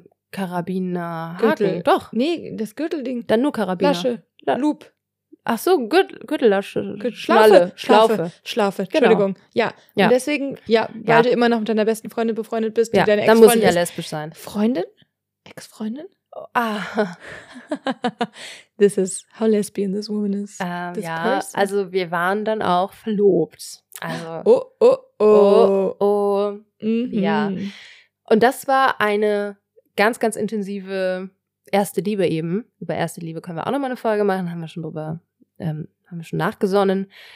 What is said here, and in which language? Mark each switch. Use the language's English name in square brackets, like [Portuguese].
[German] Karabinerhaken. Doch. Nee, das Gürtelding. Dann nur Karabiner. Lasche. Loop. Ach so, Gürtellasche. Schlaufe. Entschuldigung. Genau. Ja. Ja. Und deswegen, ja, weil du immer noch mit deiner besten Freundin befreundet bist, die deine Ex-Freundin ist. Dann muss ich ja lesbisch sein. Freundin? Ex-Freundin? Ah. [English] This is how lesbian this woman is. This person. [German] Also wir waren dann auch verlobt. Also, Oh. Mm-hmm. Ja. Und das war eine ganz, ganz intensive erste Liebe eben. Über erste Liebe können wir auch nochmal eine Folge machen. Haben wir schon nachgesonnen.